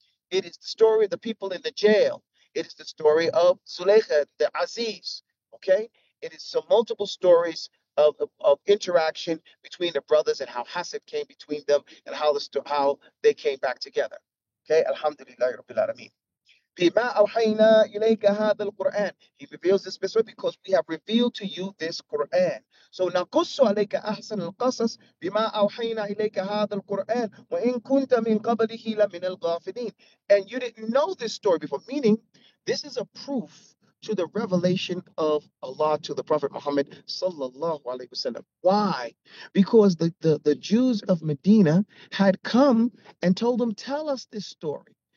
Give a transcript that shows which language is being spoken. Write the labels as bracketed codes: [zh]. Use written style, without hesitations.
[en] It is the story of the people in the jail. It is the story of Zuleika, the Aziz, okay? It is some multiple stories of interaction between the brothers and how Hasid came between them and how they came back together, okay? Alhamdulillah, Rabbil Alameen. [ar] بما أوحينا إليك هذا القرآن. [en] He reveals this verse because we have revealed to you this Quran. So [ar] نقص عليك أحسن القصص بما أوحينا إليك هذا القرآن وإن كنت من قبله لمن الغافلين. [en] And you didn't know this story before. Meaning, this is a proof to the revelation of Allah to the Prophet Muhammad sallallahu alaihi wasallam. Why? Because the Jews of Medina had come and told them, tell us this story.